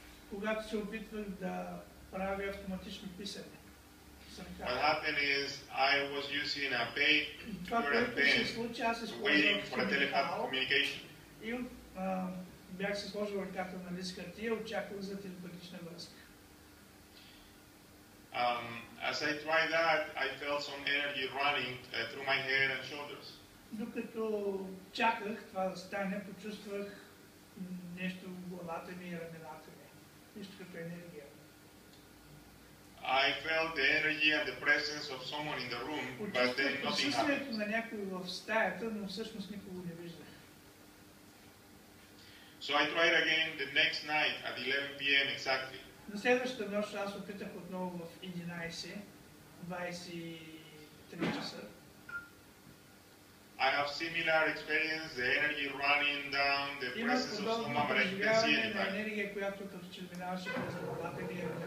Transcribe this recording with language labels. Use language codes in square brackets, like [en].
[bg] Когато се опитвах да правя автоматично писане. [en] What happened is I was using a paper and pen, waiting for a telepath communication. [bg] Бях се сложил ръката на лист хартия, очаквах за телепатична връзка. [en] As I tried that, I felt some energy running through my head and shoulders. [bg] Докато чаках това да стане, почувствах нещо в главата ми и рамената ми. Нещо като енергия. [en] I felt the energy and the presence of someone in the room, but then nothing happened. [bg] Почувствах присъствието на някой в стаята, но всъщност никого не виждах. [en] So I tried again the next night at 11 p.m. exactly. [bg] На следващата нощ аз опитах отново в 11:23 часа. [en] I have similar experience, the energy running down, the presence of someone, but I couldn't see anybody. [bg] Имах енергия, която като че минаваше през главата ми.